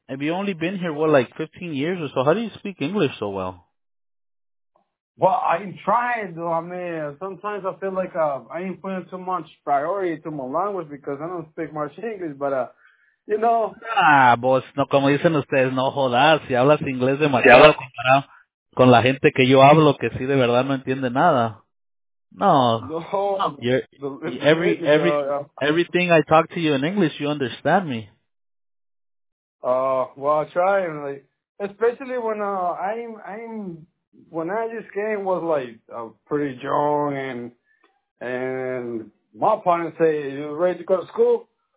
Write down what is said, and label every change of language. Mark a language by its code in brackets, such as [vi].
[en] Have you only been here, what, like 15 years or so? How do you speak English so well? Well, I'm trying, though. I mean, sometimes I feel like I ain't putting too much priority to my language because I don't speak much English, but, you know. [es] Ah, boss, no, como dicen ustedes, no jodas. Si hablas inglés demasiado comparado con la gente que yo hablo, que sí, de verdad, no entiende nada. No. No. [en] Everything I talk to you in English, you understand me. Well, I try, like, especially when I'm... When I just came, was like pretty young, and my parents say, "You ready to go to school?"